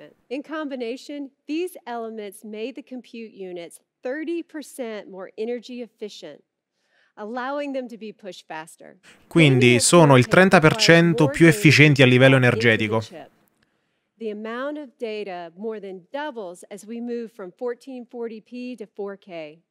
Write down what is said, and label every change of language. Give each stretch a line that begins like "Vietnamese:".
English: In combination, these elements made the compute units 30% more energy efficient. Allowing them to be pushed faster.
Italian: Quindi sono il 30% più efficienti a livello energetico.
English: The amount of data more than doubles as we move from 1440p to 4K.